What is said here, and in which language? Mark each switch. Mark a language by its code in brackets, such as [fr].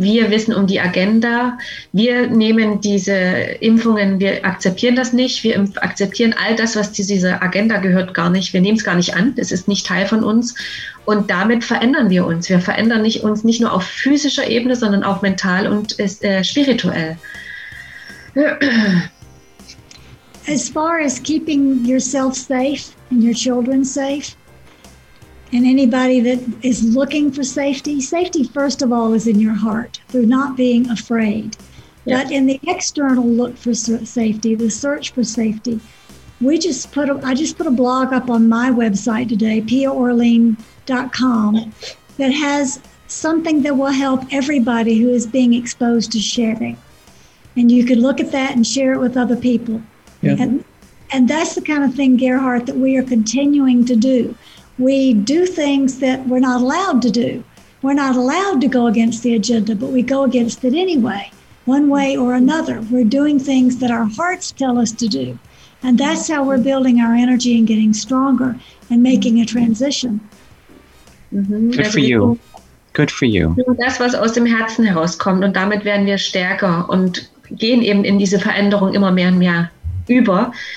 [de] Wir wissen um die Agenda. Wir nehmen diese Impfungen, wir akzeptieren das nicht. Wir akzeptieren all das, was zu dieser Agenda gehört, gar nicht. Wir nehmen es gar nicht an. Es ist nicht Teil von uns. Und damit verändern wir uns. Wir verändern uns nicht nur auf physischer Ebene, sondern auch mental und spirituell. [en] As far as keeping yourself safe and your children safe, and anybody that is looking for safety, safety first of all is in your heart through not being afraid. Yeah. But in the external look for safety, the search for safety, I just put a blog up on my website today, piaorlean.com, that has something that will help everybody who is being exposed to sharing. And you could look at that and share it with other people. Yeah. And that's the kind of thing, Gerhard, that we are continuing to do. We do things that we're not allowed to do. We're not allowed to go against the agenda, but we go against it anyway, one way or another. We're doing things that our hearts tell us to do. And that's how we're building our energy and getting stronger and making a transition. Mm-hmm. Good for you. Good for you. [de] Das, was aus dem Herzen herauskommt, und damit werden wir stärker und gehen eben in diese Veränderung immer mehr und mehr über.